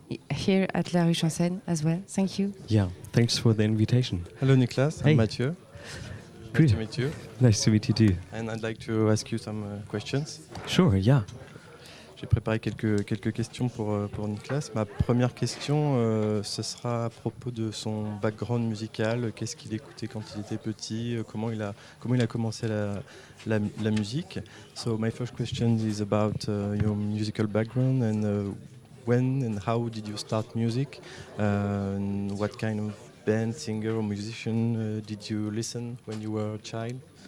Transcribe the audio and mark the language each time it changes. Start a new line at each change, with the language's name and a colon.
English: Here at La Rue Chansène as well, thank you. Yeah, thanks for the invitation. Hello Niklas, hey. I'm Mathieu. Good nice to meet you. Nice to meet you too. And I'd like to ask you some questions. Sure, yeah.
French: J'ai préparé quelques questions pour Niklas. Ma première question, ce sera à propos de son background musical. Qu'est-ce qu'il écoutait quand il était petit? Comment il a commencé la musique?
English: So my first question is about your musical background and when and how did you start music? What kind of band, singer or musician did you listen when you were a child?